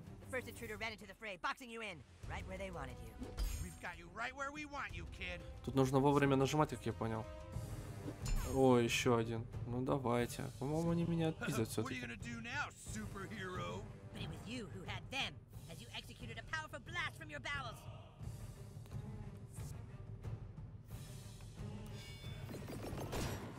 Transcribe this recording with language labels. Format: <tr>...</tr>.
<en>First intruder ran into the fray, boxing you in, right where they wanted you. We've got you right where we want you, kid.</en> <ru>Тут нужно вовремя нажимать, как я понял. О, еще один. Ну давайте. По-моему, они меня отпиздят все-таки.</ru> <en>What are you gonna do now, superhero? But it was you who had them, as you executed a powerful blast from your bowels.</en>